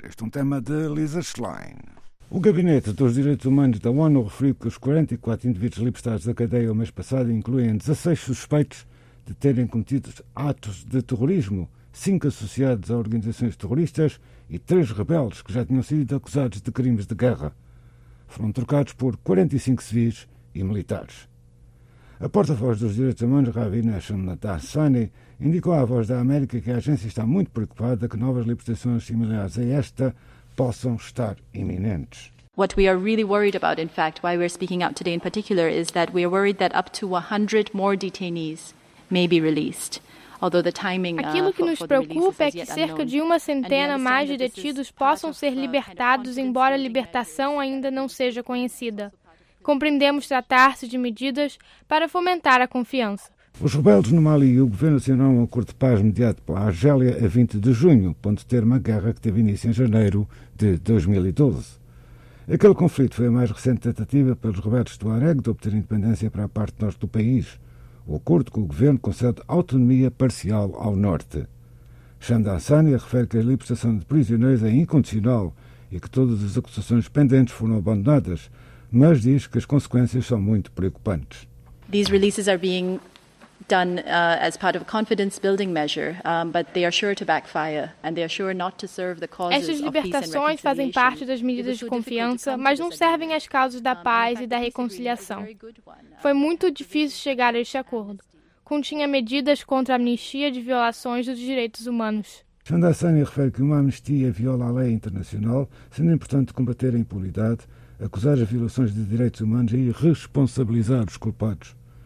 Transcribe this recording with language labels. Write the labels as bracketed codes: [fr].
[pt] Este é um tema de Lisa Schlein. O Gabinete dos Direitos Humanos da ONU referiu que os 44 indivíduos libertados da cadeia o mês passado incluem 16 suspeitos de terem cometido atos de terrorismo, 5 associados a organizações terroristas e 3 rebeldes que já tinham sido acusados de crimes de guerra. Foram trocados por 45 civis e militares. A porta-voz dos Direitos Humanos, Ravina Shamdasani, indicou à Voz da América que a agência está muito preocupada que novas libertações similares a esta possam estar iminentes. [en] What we are really worried about, in fact, why we're speaking out today in particular, is that we are worried that up to 100 more detainees may be released. Although the timing, [pt] aquilo que nos preocupa é que cerca de uma centena mais de detidos possam ser libertados, embora a libertação ainda não seja conhecida. Compreendemos tratar-se de medidas para fomentar a confiança. Os rebeldes no Mali e o governo assinaram um acordo de paz mediado pela Argélia a 20 de junho, ponto de termo à guerra que teve início em janeiro de 2012. Aquele conflito foi a mais recente tentativa pelos rebeldes do Areg de obter independência para a parte norte do país. O acordo com o governo concede autonomia parcial ao norte. Shamdasani refere que a libertação de prisioneiros é incondicional e que todas as acusações pendentes foram abandonadas, mas diz que as consequências são muito preocupantes. [en] These releases are being done as part of a confidence building measure, but they are sure to backfire and they are sure not to serve the causes of peace. [pt] Essas libertações fazem parte das medidas de confiança, mas não servem às causas da paz e da reconciliação. Foi muito difícil chegar a este acordo. Continha medidas contra a amnistia de violações dos direitos humanos. Shamdasani refere que uma amnistia viola a lei internacional, sendo importante combater a impunidade, acusar as violações de direitos humanos e responsabilizar os culpados.